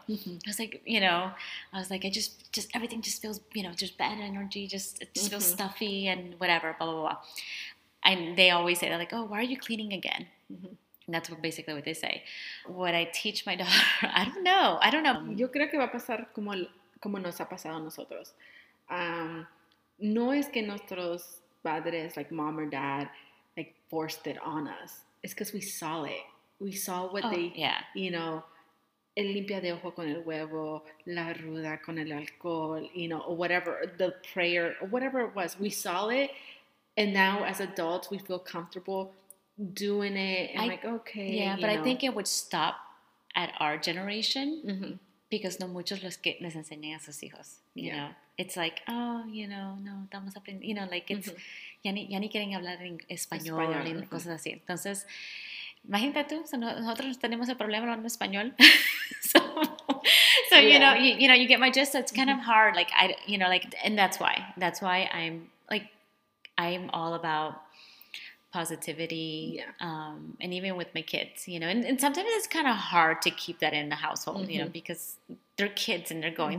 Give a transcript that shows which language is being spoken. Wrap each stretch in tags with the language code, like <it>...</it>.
<en>Mm-hmm. I was like, you know, I was like, I just everything just feels, you know, just bad energy. It just mm-hmm, feels stuffy and whatever, blah, blah, blah. And they always say, they're like, oh, why are you cleaning again? Mm-hmm. That's basically what they say. What I teach my daughter, I don't know.</en> <es>Yo creo que va a pasar como nos ha pasado a nosotros. No es que nuestros padres,</es> <en>like mom or dad, like forced it on us. It's because we saw it. We saw what you know,</en> <es>el limpia de ojo con el huevo, la ruda con el alcohol,</es> <en>you know, or whatever, the prayer, or whatever it was. We saw it, and now as adults, we feel comfortable doing it, and I'm like, okay. Yeah, but I think it would stop at our generation, mm-hmm,</en> <es>Because no muchos los que les enseñan a sus hijos, you know.</es> <en>It's like, oh, you know,</en> <es>no, estamos aprendiendo, you know, like it's, mm-hmm. ya ni quieren hablar en español y mm-hmm. cosas así. Entonces, imagínate tú, so nosotros tenemos el problema hablando español.</es> <en>So yeah. you know, you get my gist, so it's kind mm-hmm. of hard, like, I, you know, like, and that's why I'm, like, I'm all about positivity, and even with my kids, you know, and sometimes it's kind of hard to keep that in the household, mm-hmm. you know, because they're kids and they're going</en>